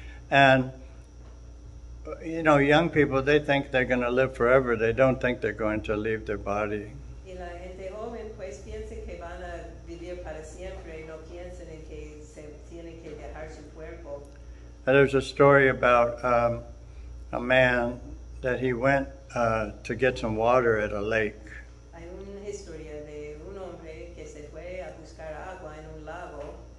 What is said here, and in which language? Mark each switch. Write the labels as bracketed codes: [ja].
[en] And, you know, young people, they think they're going to live forever. They don't think they're going to leave their body. [es] Y la gente joven, pues, piensa que van a vivir para siempre. No piensan en que se tienen que dejar su cuerpo. [en] And there's a story about a man that he went to get some water at a lake. [es] Hay una historia de un hombre que se fue a buscar agua en un lago.